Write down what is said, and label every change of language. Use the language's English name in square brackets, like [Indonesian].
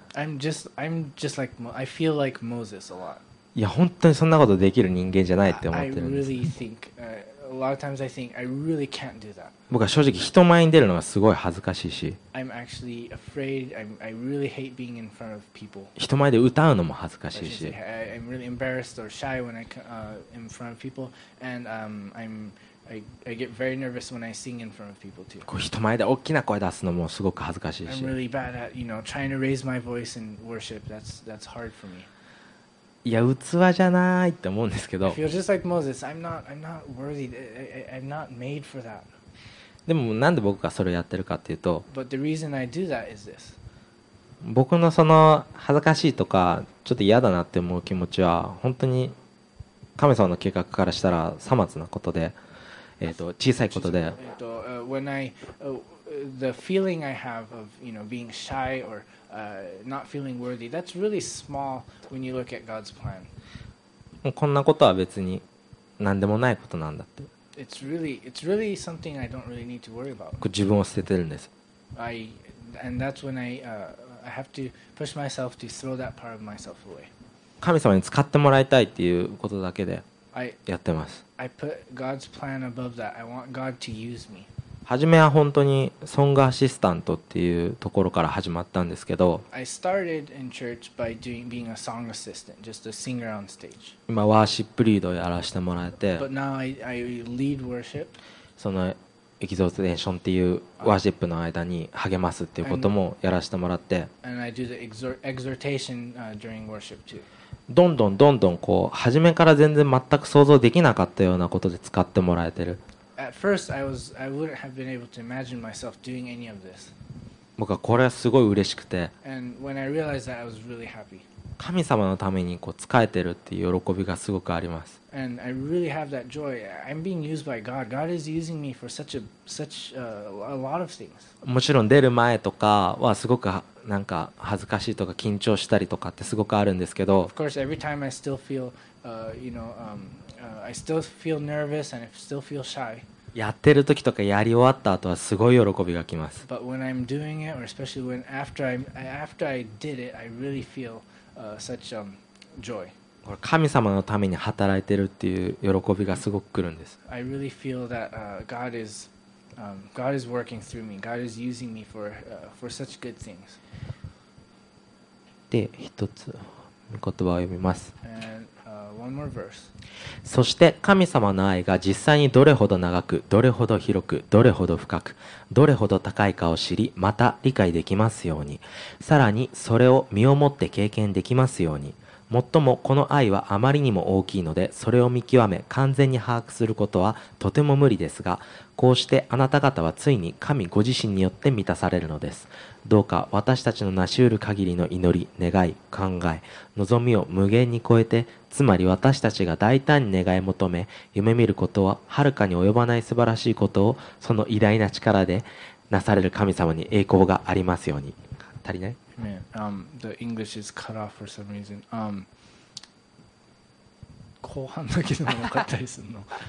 [English] I'm just like I feel like Moses a lot。 [Japanese] いや本当にそんなことできる人間じゃないって思ってるんです。 [English] I really think a lot of times I think I really can't do that。 [Japanese] 僕は正直人前に出るのがすごい恥ずかしいし、 [English] I'm actually afraid I really hate being in front of people。 [Japanese] 人前で歌うのも恥ずかしいし、 [English] I'm really embarrassed or shy when I in front of people and I get very nervous when I sing in front of people too. [Japanese] こう人前で大きな声出すのもすごく恥ずかしいし。 [English] I'm really bad at, you know, trying to raise my voice in worship. That's hard for me. [Japanese] いや器じゃないって思うんですけど。 [English] I feel just like Moses. I'm not worthy. I'm not made for that. [Japanese] でもなんで僕がそれをやってるかっていうと。 [English] But the reason I do that is this. [Japanese] 僕のその恥ずかしいとかちょっと嫌だなって思う気持ちは本当に神様の計画からしたらさまつなことで。小さいことで。 [English] When I, the feeling I have of, you know, being shy or not feeling worthy, that's really small when you look at God's plan. [Japanese] こんなことは別に何でもないことなんだって。 [English] It's really something I don't really need to worry about. [Japanese] 自分を捨ててるんです。 [English] And that's when I have to push myself to throw that part of myself away. [Japanese] 神様に使ってもらいたいっていうことだけで。やってます。 [English] I put God's plan above that. I want God to use me. [Japanese] 初めは本当にソングアシスタントっていうところから始まったんですけど。 [English] I started in church by being a song assistant, just a singer on stage. [Japanese] 今ワーシップリードをやらせてもらえて。 [English] But now I lead worship. [Japanese] そのエキゾーテーションっていうワーシップの間に励ますっていうこともやらせてもらって [English] And I do the exhortation during worship too. [Japanese] どんどんどんどんこう初めから全然全く想像できなかったようなことで使ってもらえてる [English] At first, I wouldn't have been able to imagine myself doing any of this. [Japanese] 僕はこれはすごい嬉しくて [English] And when I realized that, I was really happy. [Japanese] 神様のためにこう使えてるっていう喜びがすごくあります [English] And I really have that joy. I'm being used by God. God is using me for a lot of things. [Japanese] もちろん出る前とかはすごくなんか恥ずかしいとか緊張したりとかってすごくあるんですけど [English] Of course, every time I still feel, I still feel nervous and I still feel shy. [Japanese] やってる時とかやり終わった後はすごい喜びがきます。 [English] But when I'm doing it, or especially when after I did it, I really feel such joy. [Japanese] 神様のために働いてるっていう喜びがすごく来るんです。 [English] I really feel that God is working through me. God is using me for such good things. [Japanese] で、一つ言葉を読みます。 [English] And One more verse. [Japanese] そして神様の愛が実際にどれほど長く、どれほど広く、どれほど深く、どれほど高いかを知り、また理解できますように。さらにそれを身をもって経験できますように。もっともこの愛はあまりにも大きいので、それを見極め、完全に把握することはとても無理ですが、こうしてあなた方はついに神ご自身によって満たされるのです。どうか私たちの成し得る限りの祈り、願い、考え、望みを無限に超えて、つまり私たちが大胆に願い求め、夢見ることは遥かに及ばない素晴らしいことを、その偉大な力でなされる神様に栄光がありますように。足りない？ [English] Man, the English is cut off for some reason. [Japanese] 後半だけでも分かったりするの。